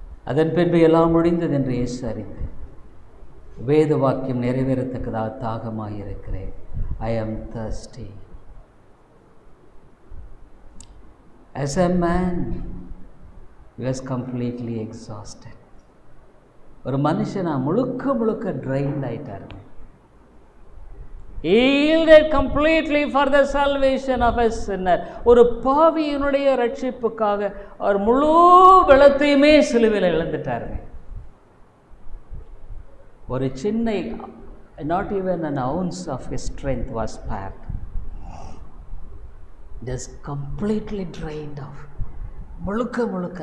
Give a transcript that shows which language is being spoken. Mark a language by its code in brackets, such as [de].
[ta] அதன் பின்பு எல்லாம் முடிந்தது என்று இயேசு அறிந்து, வேத வாக்கியம் நிறைவேறத்தக்கதா தாகமாக இருக்கிறேன், [en] I am thirsty. As a man, he was completely exhausted. [ta] ஒரு மனுஷனா முழுக்க முழுக்க ட்ரைன்ட் ஆயிட்டார். [en] He yielded completely for the salvation of a sinner. [ta] ஒரு பாவியினுடைய ரட்சிப்புக்காக அவர் முழு வெள்ளத்தையுமே சிலுவையில் இழந்துட்டார். ஒரு சின்ன, [en] not even an ounce of his strength was spared. Just completely drained off. [ta] முழுக்க முழுக்க.